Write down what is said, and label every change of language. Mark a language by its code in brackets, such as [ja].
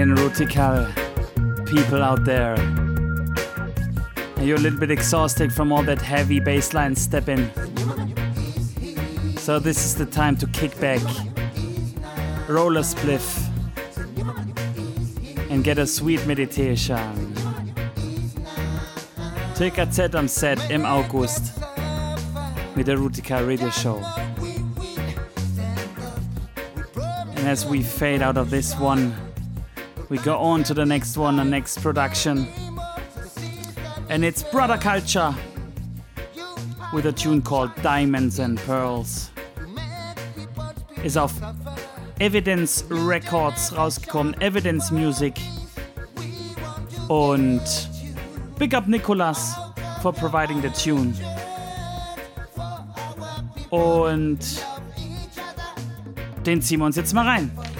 [en] People out there, are you a little bit exhausted from all that heavy bassline stepping? So this is the time to kick back, roll a spliff, and get a sweet meditation. [de] TKZ am Set im August mit der Rootikal Radio Show. [en] And as we fade out of this one, we go on to the next one, the next production. And it's Brother Culture with a tune called Diamonds and Pearls. [de] Is auf Evidence Records rausgekommen, Evidence Music. [en] Und big up Nicolas for providing the tune. [de] Und den ziehen wir uns jetzt mal rein.